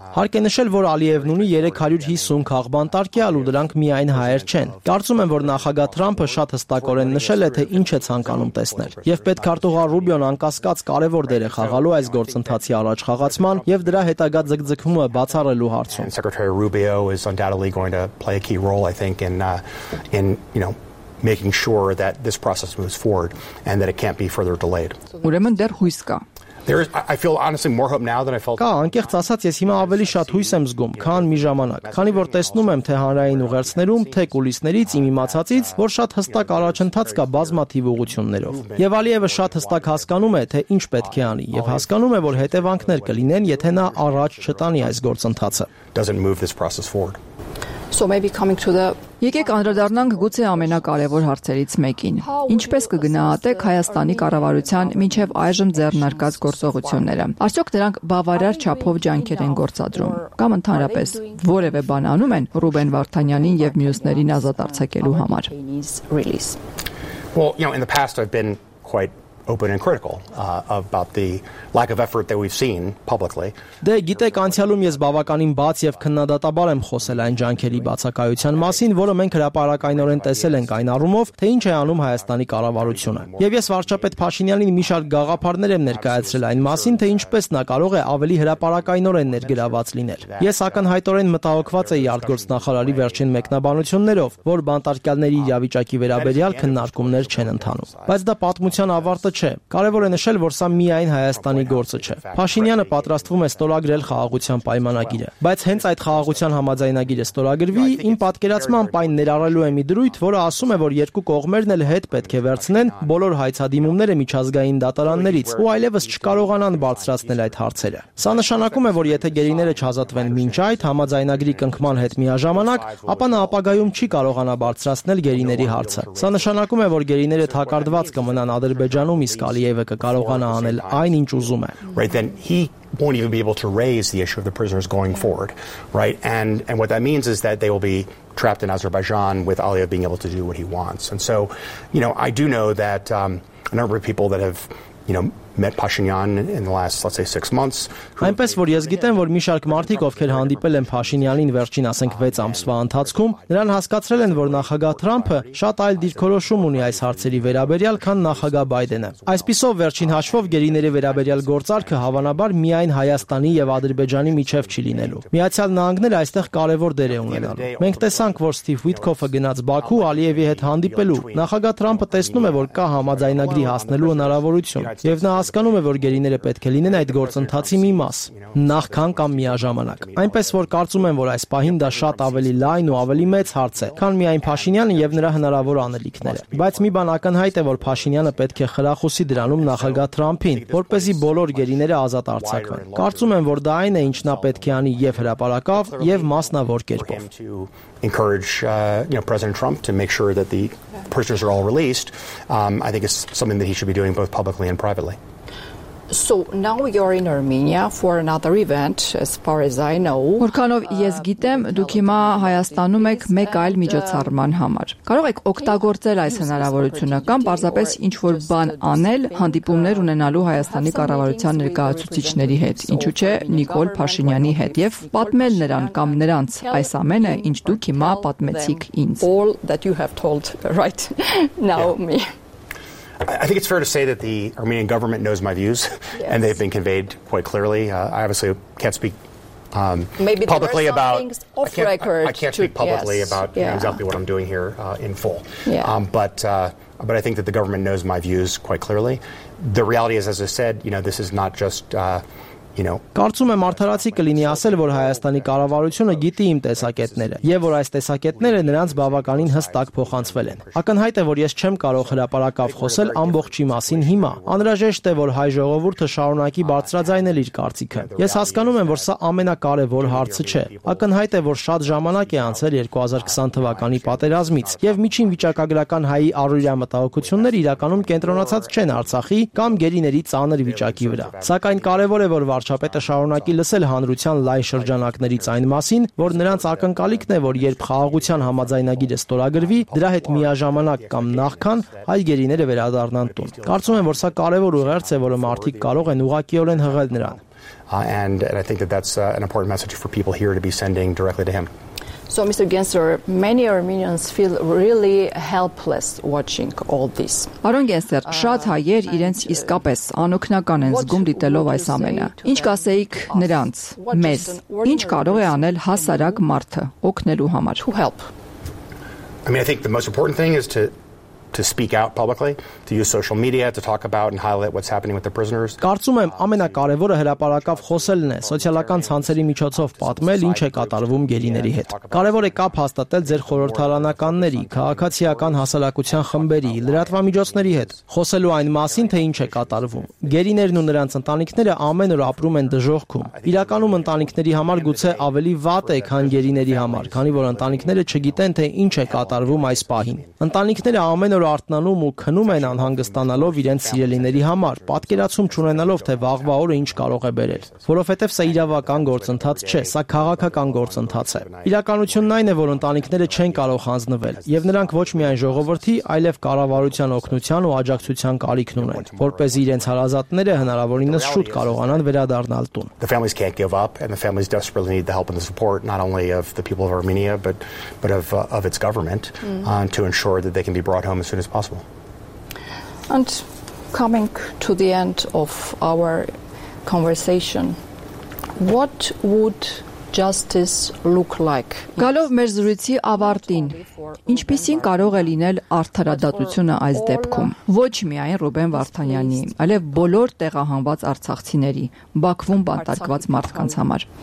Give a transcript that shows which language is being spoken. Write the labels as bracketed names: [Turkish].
[Armenian] Հարկ է նշել, որ Ալիևն ունի 350 քաղբանտարկյալ ու դրանք միայն հայեր չեն։ Կարծում եմ, որ նախագահ Թրամփը շատ հստակորեն նշել է, թե ինչ է ցանկանում տեսնել։ Եվ պետք է Արտուղար Ռուբիոն անկասկած կարևոր դեր է խաղալու այս գործընթացի առաջխաղացման եւ դրա հետագա ձգձգումը բացառելու հարցում։ [English] Secretary Rubio is undoubtedly going to play a key role, I think, in you know, making sure that this process moves forward and that it can't be further delayed. [Armenian] Ուրեմն դեռ հույս կա։ [English] There is, I feel honestly more hope now than I felt. [Armenian] Կա, անկեղծ ասած, ես հիմա ավելի շատ հույս եմ զգում, քան մի ժամանակ, քանի որ տեսնում եմ, թե հանրային ուղերձներում, թե կուլիսներից իմ իմացածից, որ շատ հստակ առաջընթաց կա բազմաթիվ ուղություններով։ Եվ Ալիևը շատ հստակ հասկանում է, թե ինչ պետք է անի, եւ հասկանում է, որ հետևանքներ կլինեն, եթե նա առաջ չտանի այս գործընթացը։ [English] Doesn't move this process forward. So maybe coming to the [Armenian] Եկեք անդրադառնանք գուցե ամենակարևոր հարցերից մեկին։ Ինչպես կգնահատեք Հայաստանի կառավարության մինչև այժմ ձեռնարկած գործողությունները։ Արդյոք դրանք բավարար չափով ջանքեր են գործադրում կամ ընդհանրապես որևէ բան անում են Ռուբեն Վարդանյանին եւ մյուսներին ազատ արձակելու համար։ [English] Well, you know, in the past I've been quite open and critical about the lack of effort that we've seen publicly. [Armenian] Դե գիտեք, անցյալում ես բավականին բաց եւ քննադատաբար եմ խոսել այն ջանքերի բացակայության մասին, որը մենք հրապարակայնորեն տեսել ենք այն առումով, թե ինչ է անում Հայաստանի կառավարությունը։ Եվ ես վարչապետ Փաշինյանին մի շարք գաղափարներ եմ ներկայացրել այն մասին, թե ինչպես նա կարող է ավելի հրապարակայնորեն ներգրաված լինել։ Ես ակնհայտորեն մտահոգված եի արտգործնախարարի վերջին մեկնաբանություններով, որ բանտարկյալների իրավիճակի վերաբերյալ քննարկումներ չեն ընթանում։ Բայց դա պատմության ավարտ չէ։ Կարևոր է նշել, որ սա միայն Հայաստանի գործը չէ։ Փաշինյանը պատրաստվում է ստորագրել խաղաղության պայմանագիրը, բայց հենց այդ խաղաղության համաձայնագիրը ստորագրվի, իմ պատկերացմամբ այն ներառելու է մի դրույթ, որը ասում է, որ երկու կողմերն էլ հետ պետք է վերցնեն բոլոր հայցադիմումները միջազգային դատարաններից, ու այլևս չկարողանան բարձրացնել այդ հարցերը։ Սա նշանակում է, որ եթե գերիները չազատվեն մինչ այդ համաձայնագրի կնքման հետ միաժամանակ, ապա նա ապագայում չի կարողանա բարձրացնել գերիների հարցը։ Սա նշանակում է, որ գերիները թակարդված կմնան Ադրբեջան Իսկ Ալիևը կկարողանա անել այն, ինչ ուզում է։ [English] Right, then he won't even be able to raise the issue of the prisoners going forward, right? And what that means is that they will be trapped in Azerbaijan with Aliyev being able to do what he wants. And so, you know, I do know that a number of people that have, you know, met Pashinyan in the last, let's say, 6 months. [Armenian] Այնպես որ ես գիտեմ, որ մի շարք մարդիկ, ովքեր հանդիպել են Փաշինյանին վերջին, ասենք, 6 ամսվա ընթացքում, նրան հասկացրել են, որ նախագահ Թրամփը շատ այլ դիրքորոշում ունի այս հարցերի վերաբերյալ, քան նախագահ Բայդենը։ Այսպիսով, վերջին հաշվով գերիների վերաբերյալ գործարքը հավանաբար միայն Հայաստանի եւ Ադրբեջանի միջև չի լինելու։ Միացյալ Նահանգները այստեղ կարևոր դեր է ունենալու։ Մենք տեսանք, որ Սթիվ Վիթկոֆը գնաց Բաքու Ալիևի հետ հանդիպելու։ Նախագահ Թրամփը տեսնում է, որ կա համաձայնագրի հասնելու հնարավորություն, եւ նա հասկանում է, որ գերիները պետք է լինեն այդ գործընթացի մի մաս, նախքան կամ միաժամանակ։ Այնպես որ կարծում եմ, որ այս պահին դա շատ ավելի լայն ու ավելի մեծ հարց է, քան միայն Փաշինյանը եւ նրա հնարավոր անելիքները։ Բայց մի բան ակնհայտ է, որ Փաշինյանը պետք է խրախուսի դրանում նախագահ Թրամփին, որպեսզի բոլոր գերիները ազատ արձակվեն։ Կարծում եմ, որ դա այն է, ինչ նա պետք է անի եւ հրապարակավ, եւ մասնավոր կերպով։ [English] Encourage you know President Trump to make sure that the prisoners are all released, I think it's something that he should be doing both publicly and privately. So now you're in Armenia for another event, as far as I know. [Armenian] Որքանով ես գիտեմ, դուք հիմա Հայաստանում եք մեկ այլ միջոցառման համար։ Կարող եք օգտագործել այս հնարավորությունը կամ պարզապես ինչ-որ բան անել, հանդիպումներ ունենալու Հայաստանի կառավարության ներկայացուցիչների հետ, ինչու՞ չէ Նիկոլ Փաշինյանի հետ, եւ պատմել նրան կամ նրանց այս ամենը, ինչ դուք հիմա պատմեցիք ինձ։ [English] All that you have told right now me. I think it's fair to say that the Armenian government knows my views, yes. And they've been conveyed quite clearly. I obviously can't speak maybe publicly about off record. I can't speak publicly about you know, exactly what I'm doing here in full. Yeah. But I think that the government knows my views quite clearly. The reality is, as I said, you know, this is not just. [Armenian] Կարծում եմ արդարացի կլինի ասել, որ Հայաստանի կառավարությունը գիտի իմ տեսակետները եւ որ այս տեսակետները նրանց բավականին հստակ փոխանցվել են։ Ակնհայտ է, որ ես չեմ կարող հրապարակավ խոսել ամբողջի մասին հիմա։ Անհրաժեշտ է, որ հայ ժողովուրդը շարունակի բարձրաձայնել իր կարծիքը։ Ես հասկանում եմ, որ սա ամենակարևոր հարցը չէ։ Ակնհայտ է, որ շատ ժամանակ է անցել 2020 թվականի պատերազմից եւ միջին վիճակագրական հայի առօրյա մտահոգությունները իրականում կենտրոնացած չեն Արցախի կամ գերիների ծանր վիճակի վրա։ Սակայն կարևոր է, որ Վարչապետը շարունակի լսել հանրության լայն շրջանակներից այն մասին, որ նրանց ակնկալիքն է, որ երբ խաղաղության համաձայնագիրը ստորագրվի, դրա հետ միաժամանակ կամ նախքան հայ գերիները վերադառնան տուն։ Կարծում եմ, որ սա կարևոր ուղերձ է, որը մարդիկ կարող են ուղղակիորեն հղել նրան։ [English] And I think that that's an important message for people here to be sending directly to him. So Mr. Gensler, many Armenians feel really helpless watching all this. [Armenian] Պարոն Գենսեր, շատ հայեր իրենց իսկապես անօգնական են զգում դիտելով այս ամենը։ Ինչ կասեիք նրանց, մեզ, ինչ կարող է անել հասարակ մարդը օգնելու համար։ [English] To help. I mean, I think the most important thing is to speak out publicly, to use social media to talk about and highlight what's happening with the prisoners. [Armenian] Կարծում եմ ամենակարևորը հրապարակավ խոսելն է, սոցիալական ցանցերի միջոցով պատմել ինչ է կատարվում գերիների հետ։ Կարևոր է կապ հաստատել ձեր խորհրդարանականների, քաղաքացիական հասարակության խմբերի, լրատվամիջոցների հետ, խոսելու այն մասին, թե ինչ է կատարվում։ Գերիներն ու նրանց ընտանիքները ամեն օր ապրում են դժոխքում։ Իրականում ընտանիքների համար գուցե ավելի վատ է, քան գերիների համար, քանի որ ընտանիքները չգիտեն, թե ինչ է կատարվում այս պահին։ Ընտանիքները ամեն որ արտնանում ու քնում են անհանգստանալով իրենց սիրելիների համար, պատկերացում չունենալով, թե վաղվա օրը ինչ կարող է բերել։ Որովհետև սա իրավական գործընթաց չէ, սա քաղաքական գործընթաց է։ Իրականությունն այն է, որ ընտանիքները չեն կարող հանձնվել, եւ նրանք ոչ միայն ժողովրդի, այլև կառավարության օգնության ու աջակցության կարիք ունեն, որպես իրենց հարազատները հնարավորինս շուտ կարողանան վերադառնալ տուն։ [English] The families can't give up and the families desperately need the help and the support not only of the people of Armenia but of its government to ensure that they can be brought home as soon as possible. And coming to the end of our conversation, what would justice look like? [Armenian] Գալով մեր զրույցի ավարտին, ինչպիսին կարող է լինել արդարադատությունը այս դեպքում, ոչ միայն Ռուբեն Վարդանյանի, այլև բոլոր տեղահանված արցախցիների, Բաքվում բանտարկված մարդկանց համար.